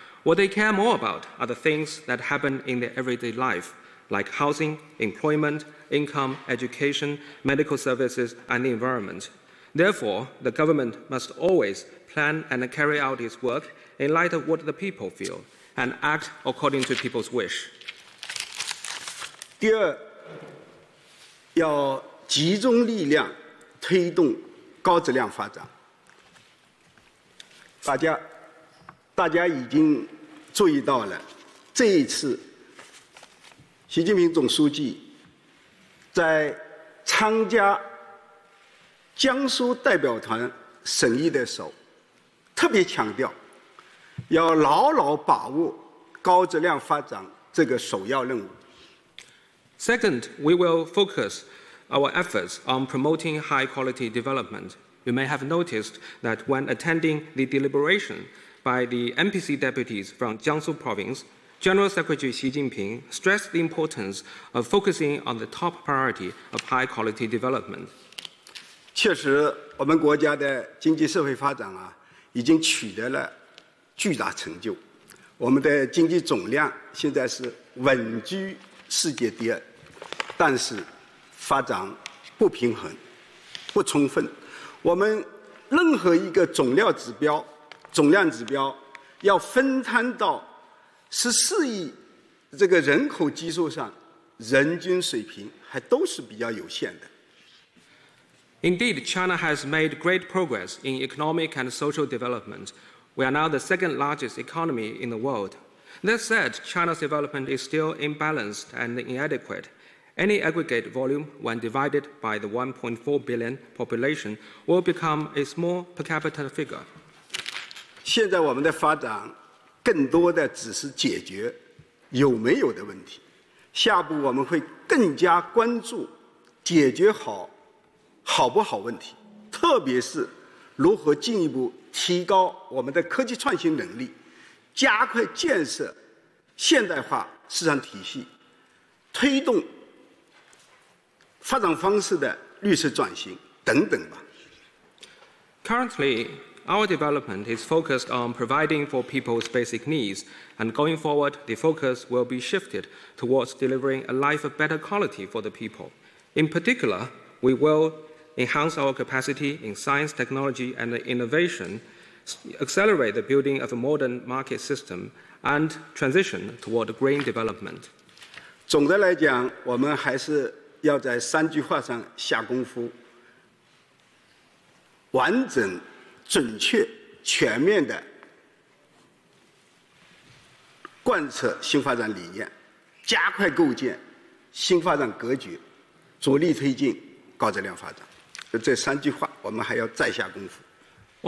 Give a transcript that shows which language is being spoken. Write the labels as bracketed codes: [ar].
[en] What they care more about are the things that happen in their everyday life, like housing, employment, income, education, medical services, and the environment. Therefore, the government must always plan and carry out its work in light of what the people feel and act according to people's wish. [zh] 第二，要集中力量推动高质量发展。大家已经注意到了，这一次习近平总书记在参加江苏代表团审议的时候特别强调，要牢牢把握高质量发展这个首要任务。 [en] Second, we will focus our efforts on promoting high-quality development. You may have noticed that when attending the deliberation by the MPC deputies from Jiangsu province, General Secretary Xi Jinping stressed the importance of focusing on the top priority of high-quality development. [zh] 确实，我们国家的经济社会发展啊，已经取得了巨大成就。我们的经济总量现在是稳居世界第二，但是发展不平衡、不充分，我们任何一个总量指标要分摊到14亿这个人口基数上，人均水平还都是比较有限的。 [en] Indeed, China has made great progress in economic and social development. We are now the second largest economy in the world. That said, China's development is still imbalanced and inadequate. Any aggregate volume, when divided by the 1.4 billion population, will become a small per capita figure. [zh] 现在我们的发展更多的只是解决有没有的问题。下步我们会更加关注解决好不好问题，特别是如何进一步提高我们的科技创新能力，加快建设现代化市场体系，推动发展方式的绿色转型等等吧。 [en] Currently, our development is focused on providing for people's basic needs, and going forward, the focus will be shifted towards delivering a life of better quality for the people. In particular, we will enhance our capacity in science, technology, and innovation, accelerate the building of a modern market system, and transition toward green development. [zh] 总的来讲，我们还是要在三句话上下功夫，完整、准确、全面地贯彻新发展理念，加快构建新发展格局，着力推进高质量发展。这三句话我们还要再下功夫。